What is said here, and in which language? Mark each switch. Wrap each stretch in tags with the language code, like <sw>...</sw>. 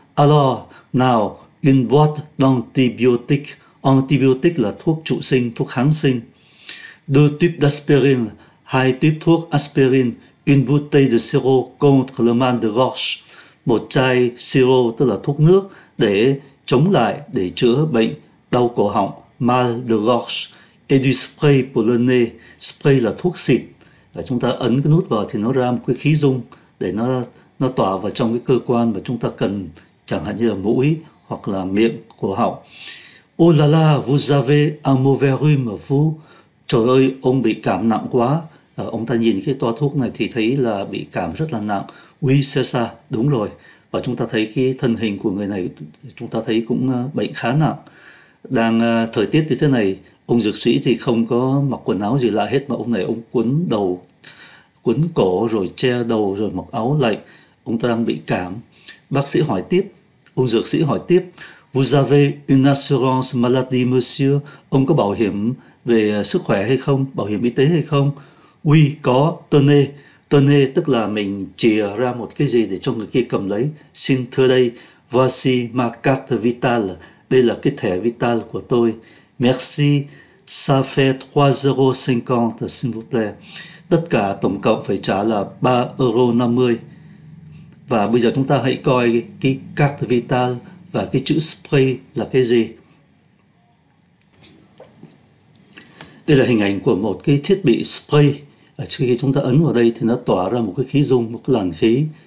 <vi>Alors, now,</vi> <fr>une boîte d'antibiotique,</fr> <vi>antibiotique là thuốc trụ sinh, thuốc kháng sinh,</vi> <fr>deux types d'aspirine,</fr> <vi>hai tuyếp thuốc aspirin,</vi> <fr>une bouteille de sirop contre le mal de gorge,</fr> <vi>một chai sirop tức là thuốc nước để chống lại, để chữa bệnh đau cổ họng,</vi> <fr>mal de gorge, et du spray pour le nez,</fr> <vi>spray là thuốc xịt. Và chúng ta ấn cái nút vào thì nó ra một cái khí dung để nó tỏa vào trong cái cơ quan mà chúng ta cần, chẳng hạn như là mũi hoặc là miệng, cổ họng.</vi> <fr>Oh là là, vous avez un mauvais rhume, vous.</fr> <vi>Trời ơi, ông bị cảm nặng quá. Ông ta nhìn cái toa thuốc này thì thấy là bị cảm rất là nặng.</vi> <fr>Oui, c'est ça,</fr> <vi>đúng rồi. Và chúng ta thấy cái thân hình của người này, chúng ta thấy cũng bệnh khá nặng. Đang thời tiết như thế này, ông dược sĩ thì không có mặc quần áo gì lạ hết, mà ông này ông quấn đầu, quấn cổ rồi che đầu rồi mặc áo lạnh. Ông ta đang bị cảm. Bác sĩ hỏi tiếp, ông dược sĩ hỏi tiếp.</vi> <fr>Vous avez une assurance maladie, monsieur?</fr> <vi>Ông có bảo hiểm về sức khỏe hay không? Bảo hiểm y tế hay không? Oui, có, tenez. Tenez tức là mình chìa ra một cái gì để cho người kia cầm lấy. Xin thưa đây,</vi> <fr>voici ma carte vitale.</fr> <vi>Đây là cái thẻ vital của tôi.</vi> <fr>Merci, ça fait 3,50 €, s'il vous plaît.</fr> <vi>Tất cả tổng cộng phải trả là 3,50 €. Và bây giờ chúng ta hãy coi cái carte vital và cái chữ spray là cái gì. Đây là hình ảnh của một cái thiết bị spray. Trước khi chúng ta ấn vào đây thì nó tỏa ra một cái khí dung, một cái làn khí.</vi>